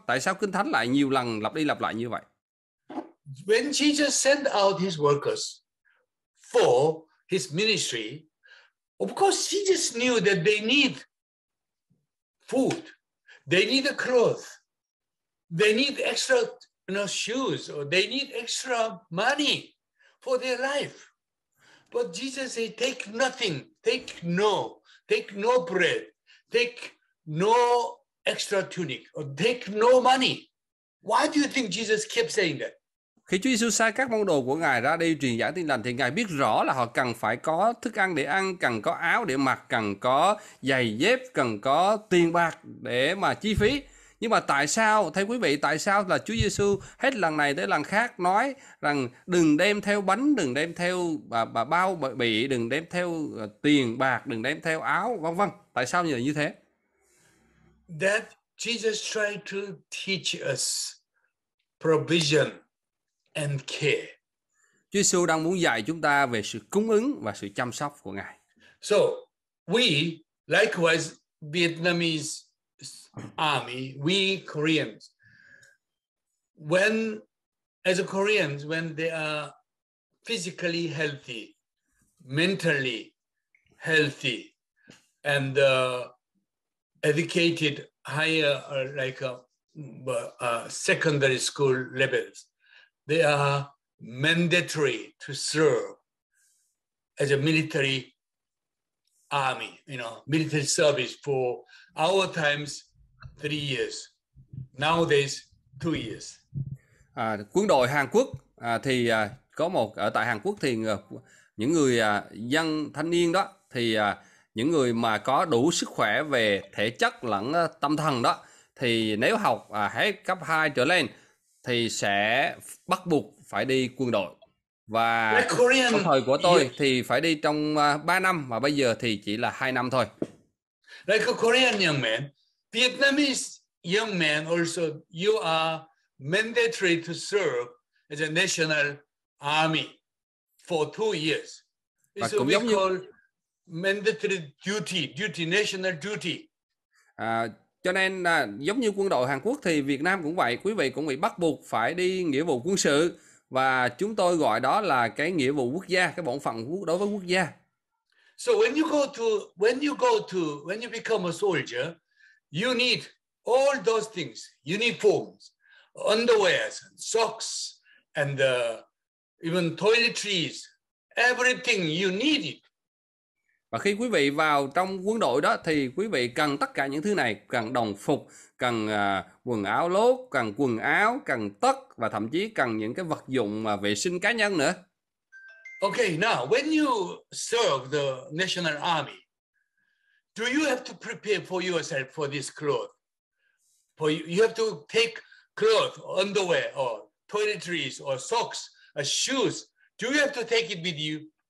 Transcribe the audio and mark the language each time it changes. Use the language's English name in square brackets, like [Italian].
[Vietnamese] Tại sao Kinh Thánh lại nhiều lần lặp đi lặp lại như vậy? [English] When Jesus sent out his workers for his ministry, of course, Jesus knew that they need food, they need a clothes, they need extra, you know, shoes, or they need extra money for their life. But Jesus said, take nothing, take no bread, take no extra tunic or take no money. Why do you think Jesus kept saying that? [Vietnamese] Khi Chúa Giêsu sai các môn đồ của Ngài ra đi truyền giảng tin lành thì Ngài biết rõ là họ cần phải có thức ăn để ăn, cần có áo để mặc, cần có giày dép, cần có tiền bạc để mà chi phí. Nhưng mà tại sao, thưa quý vị, tại sao là Chúa Giêsu hết lần này tới lần khác nói rằng đừng đem theo bánh, đừng đem theo bao bì, đừng đem theo tiền bạc, đừng đem theo áo, vân vân. Tại sao như thế? [English] That Jesus tried to teach us provision and care. [Vietnamese] Chúa Giêsu đang muốn dạy chúng ta về sự cung ứng và sự chăm sóc của Ngài. [English] So, we likewise Vietnamese army, we Koreans, when as a Koreans, when they are physically healthy, mentally healthy, and educated higher like a secondary school levels, they are mandatory to serve as a military army, you know, military service for our times 3 years. Nowadays, 2 years. [Vietnamese] Quân đội Hàn Quốc thì có một, ở tại Hàn Quốc thì những người dân thanh niên đó, thì những người mà có đủ sức khỏe về thể chất lẫn tâm thần đó, thì nếu học hết cấp 2 trở lên thì sẽ bắt buộc phải đi quân đội. Và [English] Korean, [Vietnamese] trong thời của tôi thì phải đi trong 3 năm, mà bây giờ thì chỉ là 2 năm thôi. [English] Like a Korean young man, Vietnamese young man also, you are mandatory to serve as a national army for 2 years. It's what we call mandatory duty, national duty. [Vietnamese] Cho nên giống như quân đội Hàn Quốc thì Việt Nam cũng vậy, quý vị cũng bị bắt buộc phải đi nghĩa vụ quân sự, và chúng tôi gọi đó là cái nghĩa vụ quốc gia, cái bổn phận đối với quốc gia. [English] So when you become a soldier, you need all those things, uniforms, underwears, socks, and even toiletries, everything you need it. [Vietnamese] Và khi quý vị vào trong quân đội đó thì quý vị cần tất cả những thứ này, cần đồng phục, cần quần áo lốt, cần quần áo, cần tất, và thậm chí cần những cái vật dụng mà vệ sinh cá nhân nữa. [English] Okay, now when you serve the National Army, do you have to prepare for yourself for this clothes? For you have to take clothes, underwear or toiletries or socks or shoes. Do you have to take it with you?